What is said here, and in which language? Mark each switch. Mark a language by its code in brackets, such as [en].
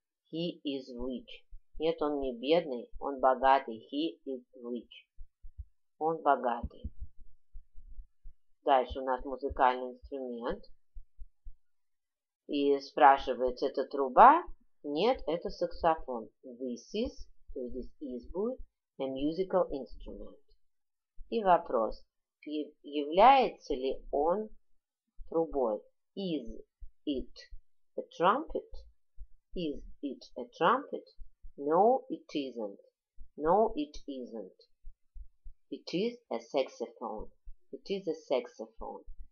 [en] He is rich. [ru] Нет, он не бедный. Он богатый. [en] He is rich. [ru] Он богатый. Дальше у нас музыкальный инструмент. И спрашивается, это труба? Нет, это саксофон. [en] This is, [ru] то есть [en] this is [ru] будет, [en] a musical instrument. [ru] И вопрос, является ли он трубой? [en] Is it a trumpet? Is it a trumpet? No, it isn't. No, it isn't. It is a saxophone. It is a saxophone.